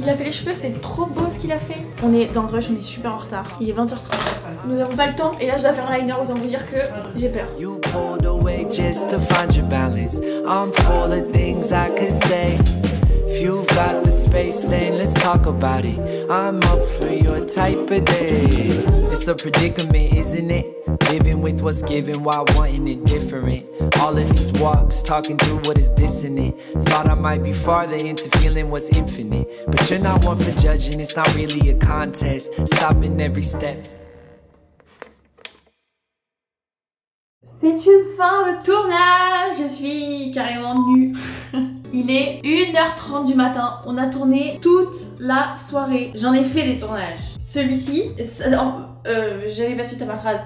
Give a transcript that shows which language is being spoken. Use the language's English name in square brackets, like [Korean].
[French] Il a fait les cheveux, c'est trop beau ce qu'il a fait. On est dans le rush, on est super en retard. Il est 20h30. Nous n'avons pas le temps et là je dois faire un liner, autant vous dire que j'ai peur. [English] You pulled away just to find your balance. I'm full of things I could say. If you've got the space, then let's talk about it. I'm up for your type of day. It's a predicament, isn't it? Living with what's given while wanting it different. All of these walks, talking through what is dissonant. Thought I might be farther into feeling what's infinite. But you're not one for judging, it's not really a contest. Stopping every step. [French] C'est une fin de tournage. Je suis carrément nue. Il est 1h30 du matin. On a tourné toute la soirée. J'en ai fait des tournages. Celui-ci, j'avais battu ta phrase.